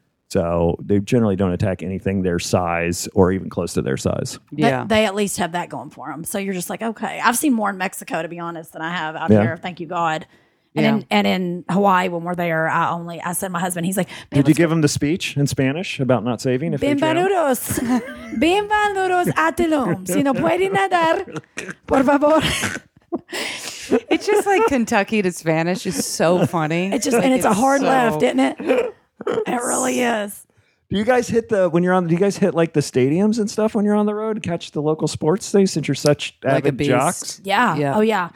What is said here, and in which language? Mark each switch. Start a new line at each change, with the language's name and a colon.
English: So they generally don't attack anything their size or even close to their size. Yeah. They at least have that going for them. So you're just like, okay. I've seen more in Mexico, to be honest, than I have out here. Thank you, God. And in Hawaii, when we're there, I said to my husband, he's like, did you give him the speech in Spanish about not saving?
Spanish: Bienvenidos. Bienvenidos a Tulum. Si no puede nadar, por favor.
English: It's just like Kentucky to Spanish is so funny. It's just, like, and it's a hard left, isn't it? It really is. Do you guys hit the stadiums and stuff when you're on the road, catch the local sports things since you're such like avid jocks? Yeah. Yeah. Oh yeah.